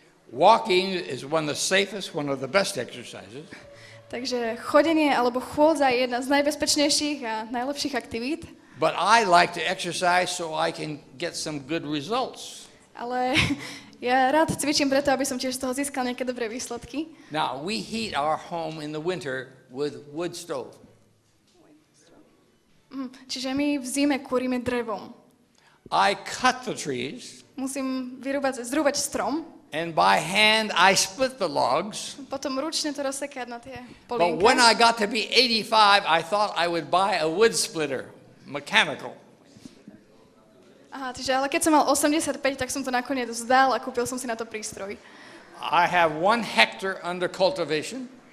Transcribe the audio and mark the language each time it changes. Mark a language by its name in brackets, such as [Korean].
[English] Walking is one of the safest, one of the best exercises. [Slovak] Takže chodenie alebo chôdza je jedna z najbezpečnejších a najlepších aktivít. [English] But I like to exercise so I can get some good results. [Slovak] Ale ja rád cvičím preto, aby som tiež z toho získal nejaké dobré výsledky. [English] Now, we heat our home in the winter with wood stove. [Slovak] Čiže my v zime kúrime drevom. [English] I cut the trees. [Slovak] Musím vyrúbať, zrúbať strom. [English] And by hand I split the logs. [Slovak] Potom ručne to rozsekať na tie polienka. [English] But when I got to be 85, I thought I would buy a wood splitter. Mechanical. [Slovak] Aha, takže ale keď som mal 85, tak som to nakoniec vzdal a kúpil som si na to prístroj. [English] I have 1 hectare under cultivation.